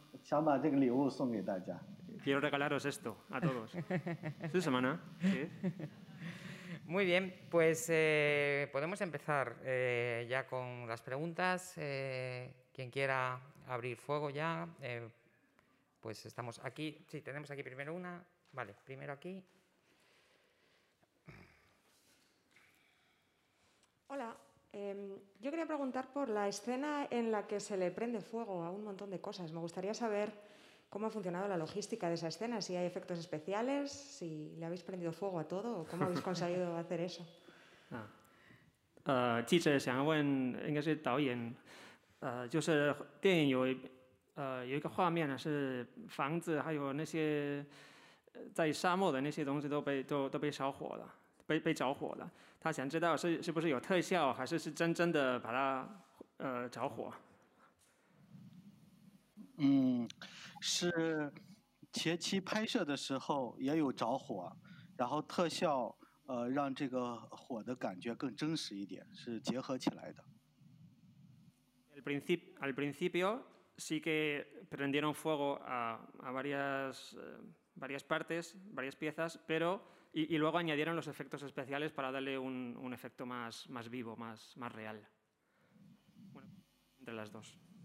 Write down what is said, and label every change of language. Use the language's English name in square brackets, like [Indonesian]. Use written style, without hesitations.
[Chinese] 想把这个礼物送给大家. [Spanish] Quiero regalaros esto a todos. Esta semana. Muy bien, pues podemos empezar ya con las preguntas. Quien quiera abrir fuego ya, pues estamos aquí. Sí, tenemos aquí primero una. Vale, primero aquí. Hola. Yo quería preguntar por la escena en la que se le prende fuego a un montón de cosas. Me gustaría saber cómo ha funcionado la logística de esa escena, si hay efectos especiales, si le habéis prendido fuego a todo o cómo habéis conseguido hacer eso. Sí, [Chinese] 被着火了，他想知道 是不是有特效，还是真正的把它着火。是前期拍摄的时候也有着火，然后特效让这个火的感觉更真实一点，是结合起来的。 [Spanish] Al principio sí que prendieron fuego a varias partes, varias piezas, pero y luego añadieron los efectos especiales para darle un efecto más vivo, más real. Bueno, entre las dos.